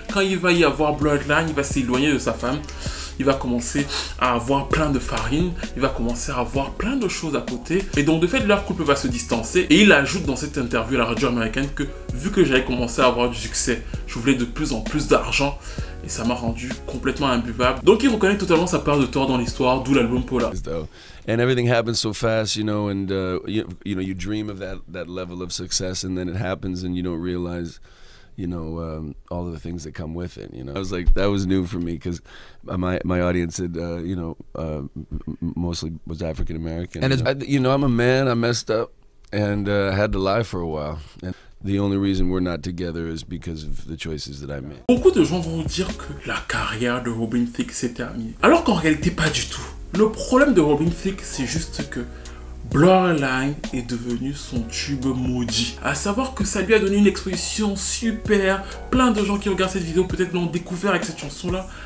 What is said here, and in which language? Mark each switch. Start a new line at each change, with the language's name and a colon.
French: Quand il va y avoir Bloodline, il va s'éloigner de sa femme. Il va commencer à avoir plein de farine, il va commencer à avoir plein de choses à côté. Et donc, de fait, leur couple va se distancer. Et il ajoute dans cette interview à la radio américaine que, vu que j'avais commencé à avoir du succès, je voulais de plus en plus d'argent. Et ça m'a rendu complètement imbuvable. Donc, il reconnaît totalement sa part de tort dans l'histoire, d'où l'album Polar.
English: And everything happens so fast, you know, and you know, you dream of that level of success, and then it happens, and you don't realize, you know, all of the things that come with it, you know. I was like, that was new for me, because my audience had, you know, mostly was African-American. And you know, I'm a man, I messed up, and I had to lie for a while. And the only reason we're not together is because of the choices that I made.
French: Beaucoup de gens vont dire que la carrière de Robin Thicke s'est terminée. Alors qu'en réalité, pas du tout. Le problème de Robin Thicke, c'est juste que Blurred Lines est devenu son tube maudit. A savoir que ça lui a donné une exposition super. Plein de gens qui regardent cette vidéo peut-être l'ont découvert avec cette chanson-là.